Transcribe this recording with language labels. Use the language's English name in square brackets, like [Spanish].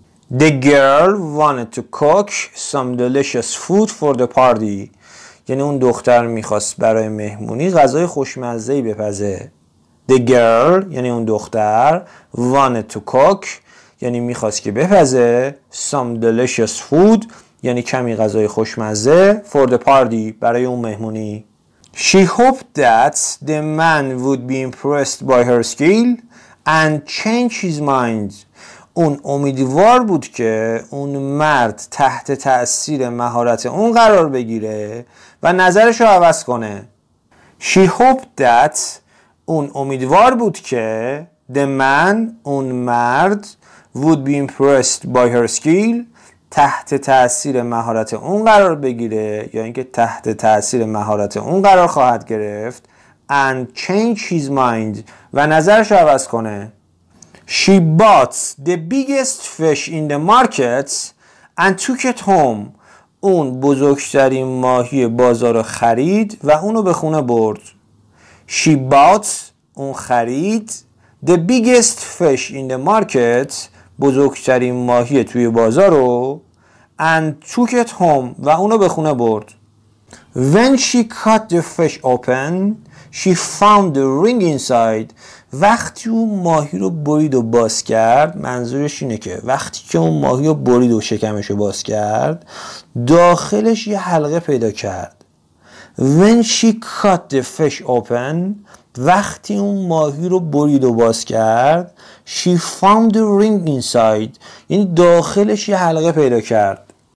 [English] The girl wanted to cook some delicious food for the party. [Persian] یعنی اون دختر میخواست برای مهمونی غذای خوشمزهی بپزه. [English] The girl [Persian] یعنی اون دختر [English] wanted to cook [Persian] یعنی میخواست که بپزه [English] some delicious food [Persian] یعنی کمی غذای خوشمزه [English] for the party [Persian] برای اون مهمونی. [English] She hoped that the man would be impressed by her skill and change his mind. [Persian] اون امیدوار بود که اون مرد تحت تأثیر مهارت اون قرار بگیره و نظرش رو عوض کنه. [English] She hoped that [Persian] اون امیدوار بود که [English] the man [Persian] اون مرد [English] would be impressed by her skill [Persian] تحت تأثیر مهارت اون قرار بگیره یا اینکه تحت تأثیر مهارت اون قرار خواهد گرفت [English] and change his mind [Persian] و نظرش عوض کنه. [English] She bought the biggest fish in the market and took it home. [Persian] اون بزرگترین ماهی بازار رو خرید و اونو به خونه برد. [English] She bought [Persian] اون خرید [English] the biggest fish in the market [Persian] بزرگترین ماهی توی بازار رو [English] and took it home [Persian] و اونو به خونه برد. [English] When she cut the fish open she found the ring inside. [Persian] وقتی اون ماهی رو برید و باز کرد، منظورش اینه که وقتی که اون ماهی رو برید و شکمش رو باز کرد داخلش یه حلقه پیدا کرد. [English] When she cut the fish open [Persian] وقتی اون ماهی رو برید و باز کرد [English] she found the ring inside [Persian] یعنی داخلش یه حلقه پیدا کرد.